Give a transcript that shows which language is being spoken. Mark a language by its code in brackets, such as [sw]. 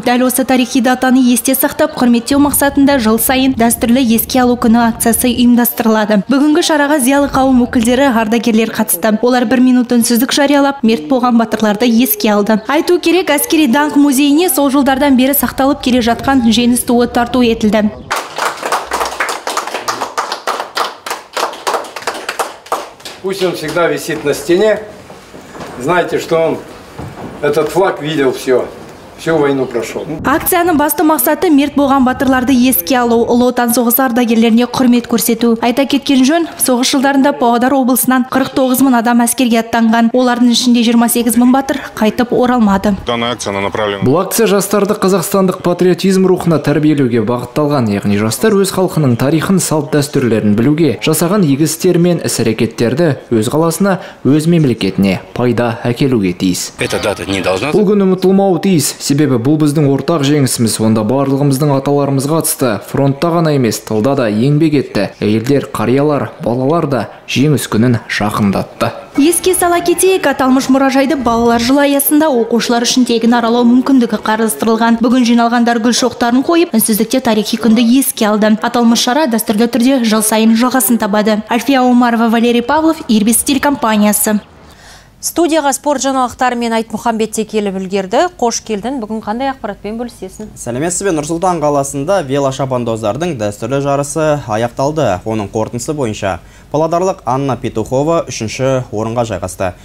[kk] Дәл осы тарихи датаны есте сақтап, құрметтеу мақсатында жыл сайын дәстүрлі еске алу күні акциясы ұйымдастырылады. Бүгінгі шараға зиялы қауым өкілдері, ардагерлер қатысты. Олар 1 минут үнсіздік жариялап, мерт болған батырларды еске алды. Айту керек, әскери даңқ музейіне сол жылдардан бері сақталып келе жатқан жеңіс туы тарту етілді. [ru] Пусть он всегда висит на стене. Знаете, что он этот флаг видел все. [kk] Акцияның басты мақсаты мерт болған батырларды еске алу, Ұлы Отан соғысы ардагерлеріне құрмет көрсету. Айта кеткен жөн, соғыс жылдарында Павлодар облысынан 49 мың адам әскерге аттанған. Олардың ішінде 28 мың батыр қайтып оралмады. Бұл акция жастарды қазақстандық патриотизм рухына тәрбиелеуге бағытталған, яғни жастар өз халқының тарихын, салт-дәстүрлерін білуге, жасаған игі істер мен іс-әрекеттерді өз қаласына, өз мемлекетіне пайда әкелуге тиіс. Бұл күн ұмытылмауы тиіс. Себебі бұл біздің ортақ жеңісіміз, онда барлығымыздың аталарымызға қатысты, фронтта ғана емес, тылда да еңбек етті. Әйелдер, қариялар, балалар да жеңіс күнін жақындатты. Еске сала кетейік, аталмыш мұражайды балалар жылы аясында оқушылар үшін тегін аралау мүмкіндігі қарастырылған. Бүгін жиналғандар гүл шоқтарын қойып, үнсіздікте тарихи күнді еске алды. Аталмыш шара дәстүрлі түрде жыл сайын жалғасын табады. Альфия Омарова, Валерий Павлов, Ирбис телекомпаниясы. Студияға спорт жаңалықтарымен Айтмұхамбет те келіп үлгерді. Қош келдің. Бүгін қандай ақпаратпен бөлісесің? Сәлеметсіз бе. Нұрсұлтан қаласында велошабандоздардың дәстүрлі жарысы аяқталды. Оның қорытындысы бойынша павлодарлық Анна Петухова 3-ші орынға жайғасты.